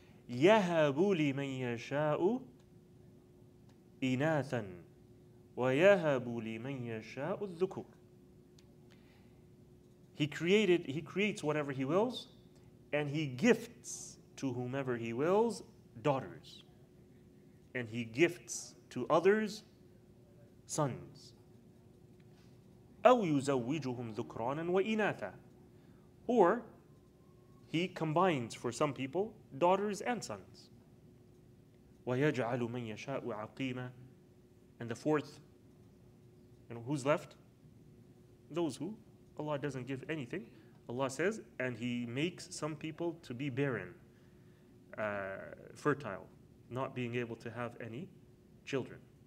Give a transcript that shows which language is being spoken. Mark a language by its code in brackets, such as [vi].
[ar] يَهَبُ لِمَنْ يَشَاءُ إِنَاثًا وَيَهَبُ لِمَنْ يَشَاءُ الذُّكُورُ. [en] He creates whatever He wills, and He gifts to whomever He wills daughters. and he gifts to others sons. [ar] أو يزوجهم ذكرانا وإناثا. [en] Or he combines for some people daughters and sons. [ar] ويجعل من يشاء عقيمة. [en] And the fourth, and who's left? Those who Allah doesn't give anything. Allah says, and he makes some people to be barren, fertile, not being able to have any children.